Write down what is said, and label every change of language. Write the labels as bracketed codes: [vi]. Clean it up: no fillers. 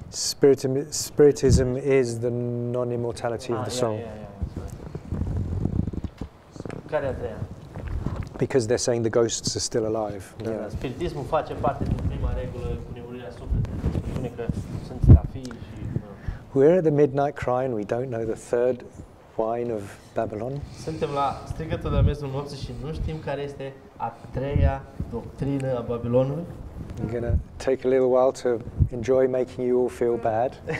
[en] Spiritism is the non-immortality of the soul. [ro] Care a treia? [en] Because they're saying the ghosts are still alive. Yeah. [ro] Spiritismul face parte din prima regulă cu nemurirea sufletului. Spune că sunt stafii și... [en] We're at the midnight cry and we don't know the third wine of Babylon. [ro] Suntem la strigătul de la miezul nopții și nu știm care este a treia doctrină a Babilonului. [en] I'm going to take a little while to enjoy making you all feel bad.